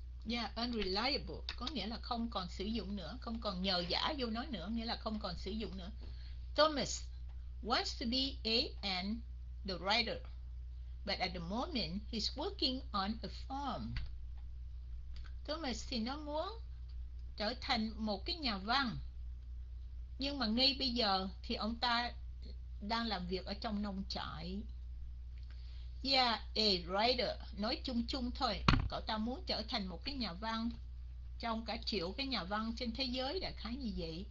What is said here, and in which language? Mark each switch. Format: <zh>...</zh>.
<vi>Yeah, unreliable có nghĩa là không còn sử dụng nữa, không còn nhờ vả vô nó nữa, nghĩa là không còn sử dụng nữa.</vi> <en>Thomas wants to be a and the writer, but at the moment he's working on a farm.</en> <vi>Thomas thì nó muốn trở thành một cái nhà văn, nhưng mà ngay bây giờ thì ông ta đang làm việc ở trong nông trại. Yeah, a writer, nói chung chung thôi. Cậu ta muốn trở thành một cái nhà văn trong cả triệu cái nhà văn trên thế giới, đại khái như vậy.</vi>